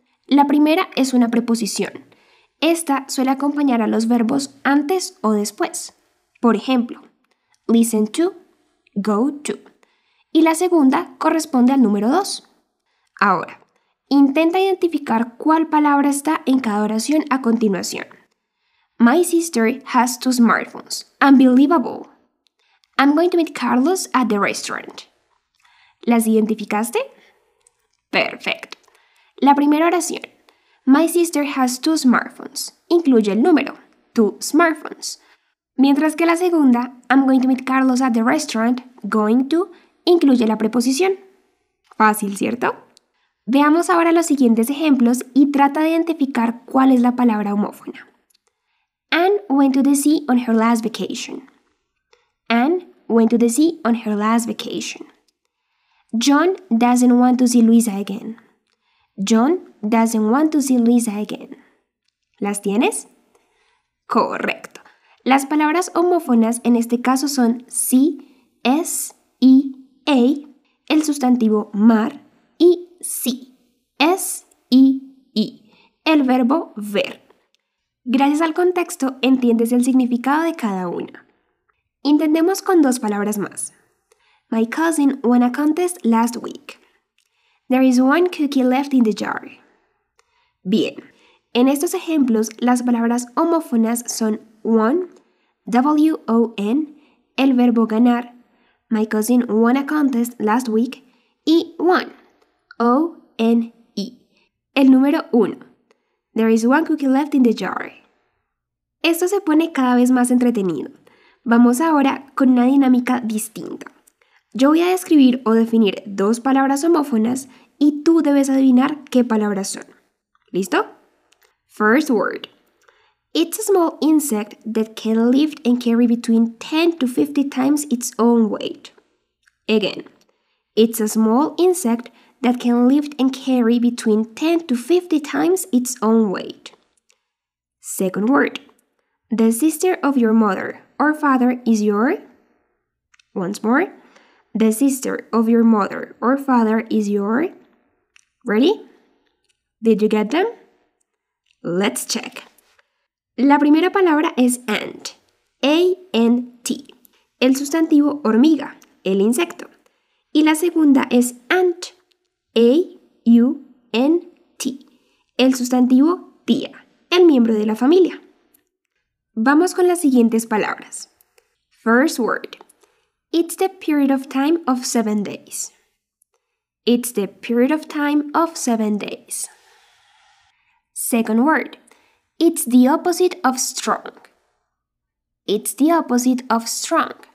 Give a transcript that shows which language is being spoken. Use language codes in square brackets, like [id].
[es] La primera es una preposición. Esta suele acompañar a los verbos antes o después. Por ejemplo, [en] listen to, go to. [es] Y la segunda corresponde al número 2. Ahora, intenta identificar cuál palabra está en cada oración a continuación. [en] My sister has two smartphones. Unbelievable. I'm going to meet Carlos at the restaurant. [es] ¿Las identificaste? Perfecto. La primera oración. [en] My sister has two smartphones. [es] Incluye el número. [en] Two smartphones. [es] Mientras que la segunda. [en] I'm going to meet Carlos at the restaurant. Going to. [es] Incluye la preposición. Fácil, ¿cierto? Veamos ahora los siguientes ejemplos y trata de identificar cuál es la palabra homófona. [en] Anne went to the sea on her last vacation. Anne went to the sea on her last vacation. John doesn't want to see Luisa again. John doesn't want to see Luisa again. [es] ¿Las tienes? Correcto. Las palabras homófonas en este caso son sea, s, e, a, el sustantivo mar, y sea, s, e, e, el verbo ver. Gracias al contexto entiendes el significado de cada una. Intentemos con dos palabras más. [en] My cousin won a contest last week. There is one cookie left in the jar. [es] Bien, en estos ejemplos las palabras homófonas son won, W-O-N, el verbo ganar, [en] my cousin won a contest last week, [es] y won, O-N-E, el número uno. [en] There is one cookie left in the jar. [es] Esto se pone cada vez más entretenido. Vamos ahora con una dinámica distinta. Yo voy a describir o definir dos palabras homófonas y tú debes adivinar qué palabras son. ¿Listo? [en] First word. It's a small insect that can lift and carry between 10 to 50 times its own weight. Again. It's a small insect that can lift and carry between 10 to 50 times its own weight. Second word. The sister of your mother or father is your... Once more. The sister of your mother or father is your... Ready? Did you get them? Let's check. [es] La primera palabra es ant. A-N-T. El sustantivo hormiga, el insecto. Y la segunda es aunt. A-U-N-T. El sustantivo tía, el miembro de la familia. Vamos con las siguientes palabras. [en] First word. It's the period of time of 7 days. It's the period of time of 7 days. Second word. It's the opposite of strong. It's the opposite of strong.